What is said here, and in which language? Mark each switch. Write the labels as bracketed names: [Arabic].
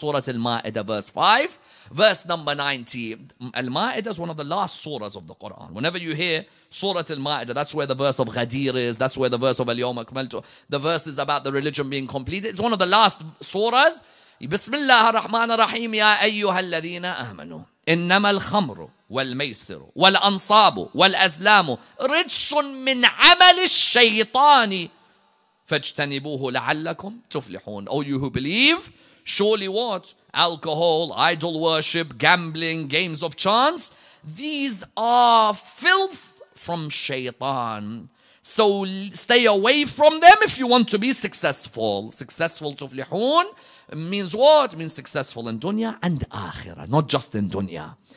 [English] Surah Al-Ma'idah, verse 5, verse number 90. Al-Ma'idah is one of the last surahs of the Quran. Whenever you hear Surah Al-Ma'idah, that's where the verse of Ghadir is, that's where the verse of Al-Yawm Akmaltu, the verses about the religion being completed. It's one of the last surahs. [Arabic] Bismillah ar-Rahman ar-Rahim. Ya ayyuhal ladhina amanu. إنما الخمر والميسر والأنصاب والأزلام رجس من عمل الشيطان فاجتنبوه لعلكم تفلحون. [English] Oh, you who believe, surely what? Alcohol, idol worship, gambling, games of chance, these are filth from Shaytan. So stay away from them if you want to be successful. Successful تفلحون means what? It means successful in dunya and akhirah, not just in dunya.